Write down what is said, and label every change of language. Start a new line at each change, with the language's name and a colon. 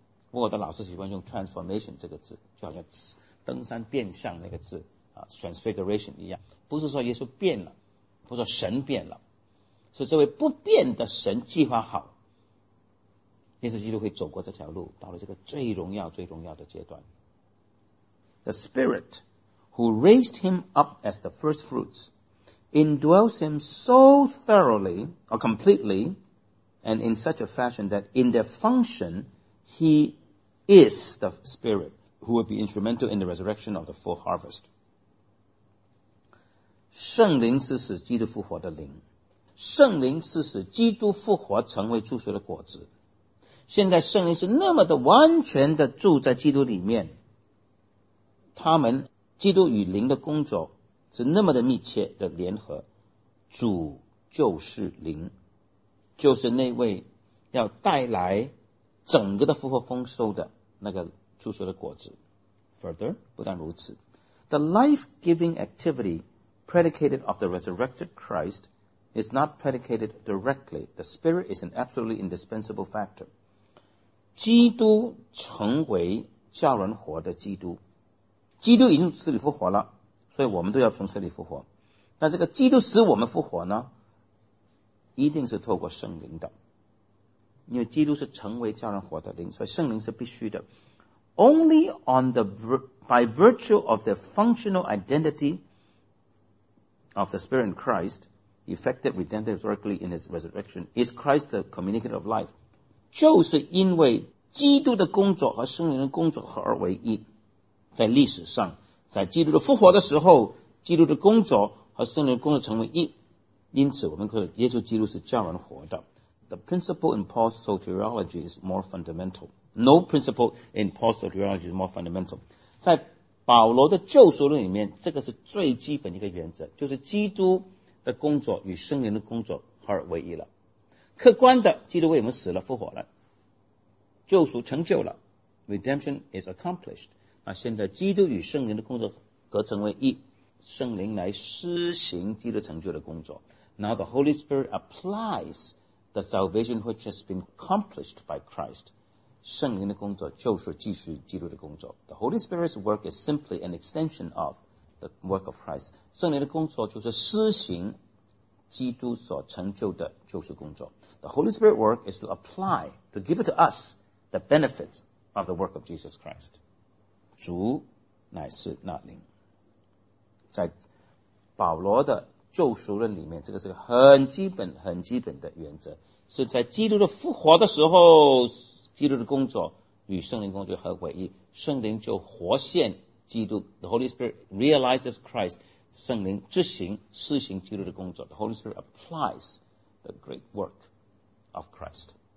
Chinese: 我的老师喜欢用 transformation 这个字，就好像登山变相那个字啊 ，transfiguration 一样，不是说耶稣变了，不是说神变了，是这位不变的神计划好，耶稣基督会走过这条路，到了这个最荣耀、最荣耀的阶段。
English: The Spirit who raised him up as the first fruits indwells him so thoroughly or completely and in such a fashion that in their function he is the Spirit. Who will be instrumental in the resurrection of the full harvest?
Chinese: 圣灵是使基督复活的灵，圣灵是使基督复活成为祝福的果子。现在圣灵是那么的完全的住在基督里面，他们基督与灵的工作是那么的密切的联合，主就是灵，就是那位要带来整个的复活丰收的那个祝寿的果子。
English: Further,
Chinese: 不但如此，
English: The life-giving activity predicated of the resurrected Christ is not predicated directly. The Spirit is an absolutely indispensable factor.
Chinese: 基督成为叫人活的基督，基督已经死里复活了，所以我们都要从死里复活。那这个基督使我们复活呢，一定是透过圣灵的，因为基督是成为叫人活的灵，所以圣灵是必须的。
English: Only on the, by virtue of the functional identity of the Spirit in Christ effected redemptively in his resurrection is Christ the communicator of life.
Chinese: 就是因为基督的工作和圣灵的工作合而为一，在历史上，在基督的复活的时候，基督的工作和圣灵的工作成为一，因此我们可以耶稣基督是叫人活的。
English: The principle in Paul's soteriology is more fundamental. No principle in Paul's soteriology is more fundamental.
Chinese: 在保罗的救赎论里面，这个是最基本的一个原则，就是基督的工作与圣灵的工作合而为一了。客观的，基督为我们死了复活了，救赎成就了，
English: Redemption is accomplished。
Chinese: 那现在基督与圣灵的工作合成为一，圣灵来施行基督成就的工作。
English: Now the Holy Spirit applies the salvation which has been accomplished by Christ。
Chinese: 圣灵的工作就是继续基督的工作。
English: The Holy Spirit's work is simply an extension of the work of Christ。
Chinese: 圣灵的工作就是施行基督所成就的救赎工作。
English: The Holy Spirit's work is to apply, to give it to us, the benefits of the work of Jesus Christ.
Chinese: 主乃是那灵。在保罗的救赎论里面，这个是个很基本很基本的原则，是在基督的复活的时候，基督的工作与圣灵工作合为一，圣灵就活现基督。
English: The Holy Spirit realizes Christ.
Chinese: 圣灵执行施行基督的工作。
English: The Holy Spirit applies the great work of Christ.